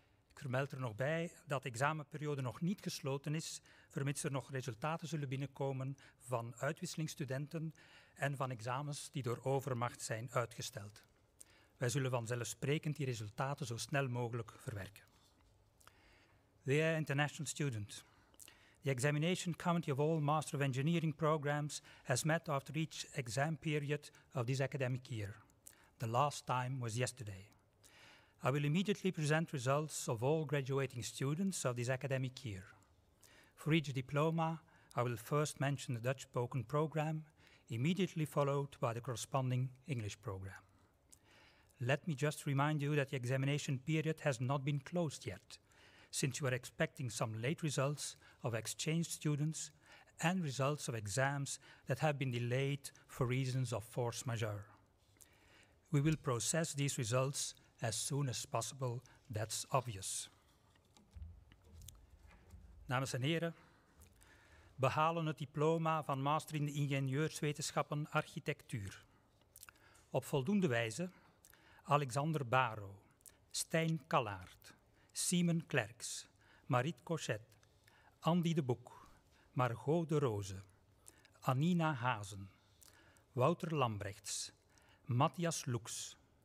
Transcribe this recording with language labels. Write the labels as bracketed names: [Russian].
[Dutch] Ik vermeld er nog bij dat de examenperiode nog niet gesloten is, vermits er nog resultaten zullen binnenkomen van uitwisselingsstudenten en van examens die door overmacht zijn uitgesteld. Wij zullen vanzelfsprekend die resultaten zo snel mogelijk verwerken. [English] The International Student. The examination count of all Master of Engineering programs has met after each exam period of this academic year. The last time was yesterday. I will immediately present results of all graduating students of this academic year. For each diploma, I will first mention the Dutch spoken program, immediately followed by the corresponding English program. Let me just remind you that the examination period has not been closed yet, since you are expecting some late results of exchange students and results of exams that have been delayed for reasons of force majeure. We will process these results as soon as possible, that's obvious. [Dutch] Dames en heren, behalen het diploma van Master in de Ingenieurswetenschappen Architectuur. Op voldoende wijze Alexander Baro, Stijn Kallaert, Simon Klerks, Marit Cochet, Andy de Boek, Margot de Roze, Anina Hazen, Wouter Lambrechts, Matthias Loeks,